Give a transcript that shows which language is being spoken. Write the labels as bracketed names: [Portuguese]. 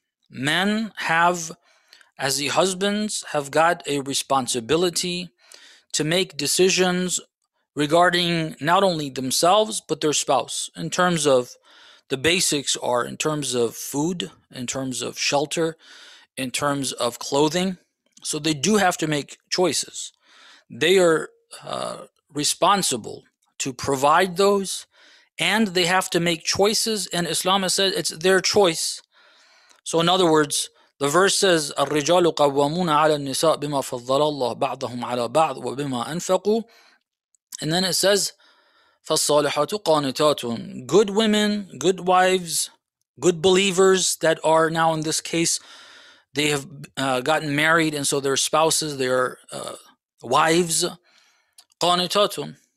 [English] Men have, as the husbands, have got a responsibility to make decisions regarding not only themselves, but their spouse, in terms of the basics are in terms of food, in terms of shelter, in terms of clothing. So they do have to make choices. They are responsible to provide those, and they have to make choices. And Islam has said it's their choice. So in other words, the verse says, [Arabic] الرجال قوامون على النساء بما فضل الله بعضهم على بعض وبما أنفقوا. [English] And then it says, [Arabic] فالصالحات قانتات. [English] Good women, good wives, good believers that are now in this case, they have gotten married, and so their spouses, their wives, قانتات.